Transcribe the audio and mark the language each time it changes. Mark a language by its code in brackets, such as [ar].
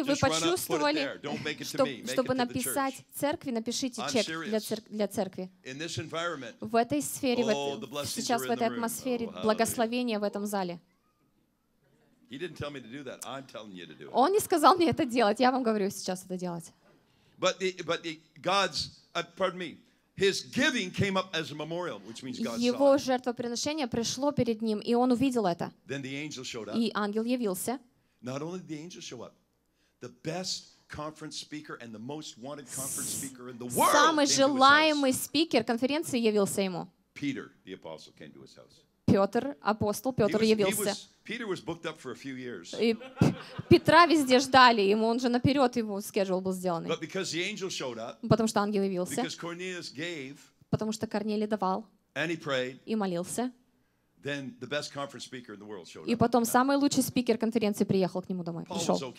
[ru] вы почувствовали, чтобы написать церкви, напишите чек для церкви. [en] In this environment, [ru] в этой сфере, сейчас в этой атмосфере, благословение в этом зале. [en] He didn't tell me to do that. I'm telling you to do it. [ru] Он не сказал мне это делать. Я вам говорю сейчас это делать. [en] But the God's, pardon me, His giving came up as a memorial, which means God saw. [ru] Его жертвоприношение пришло перед ним, и он увидел это. [en] Then the angel showed up. [ru] И ангел явился. [en] Not only did the angel show up, the best conference speaker and the most wanted conference speaker in the world. [ru] Самый желаемый спикер конференции явился ему. [en] Peter, the apostle, came to his house. [ru] Петр, апостол, Петр явился. [en] Was [ru] и Петра везде ждали, ему он же наперед его schedule был сделан. Потому что ангел явился. Потому что Корнелий давал. И молился. [en] Then the best conference speaker in the world showed [ru] up. И потом самый лучший спикер конференции приехал к нему домой. Пришел.